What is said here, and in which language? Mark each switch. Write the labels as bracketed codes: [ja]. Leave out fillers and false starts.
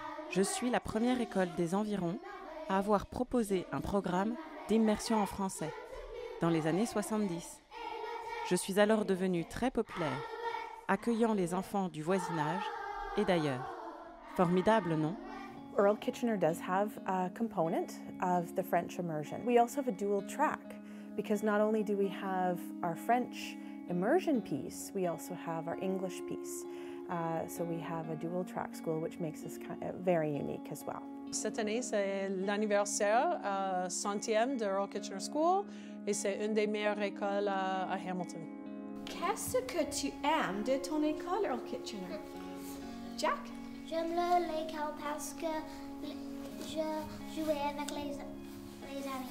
[fr] Je suis la première école des environs à avoir proposé un programme d'immersion en français dans les années 70. Je suis alors devenue très populaire, accueillant les enfants du voisinage et d'ailleurs. Formidable, non? [en] Earl Kitchener does have a component of the French immersion. We also have a dual track because not only do we have our French immersion piece, we also have our English piece. So we have a dual track school, which makes us kind of very unique as well. [fr] Cette année, c'est l'anniversaire centième de Earl Kitchener School et c'est une des meilleures écoles à Hamilton. Qu'est-ce que tu aimes de ton école, Earl Kitchener? Jack? J'aime le lake parce que je jouais avec les amis.